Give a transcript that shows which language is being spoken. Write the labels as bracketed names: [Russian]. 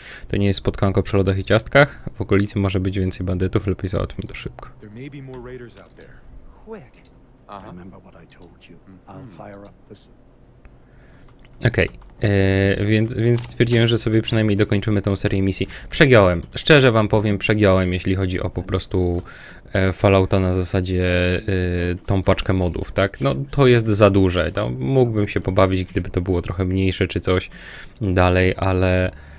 [Polish] To nie jest spotkanko przy lodach i ciastkach. W okolicy może być więcej bandytów, lepiej załatwmy to szybko. [English] There may be more raiders out there. Quick. Uh-huh. Remember what I told you. I'll fire up this. Okej. [Polish] Więc stwierdziłem, że sobie przynajmniej dokończymy tą serię misji. Przegiąłem. Szczerze wam powiem, przegiąłem, jeśli chodzi o po prostu Fallouta na zasadzie tą paczkę modów, tak? No, to jest za duże. No, mógłbym się pobawić, gdyby to było trochę mniejsze czy coś dalej, ale...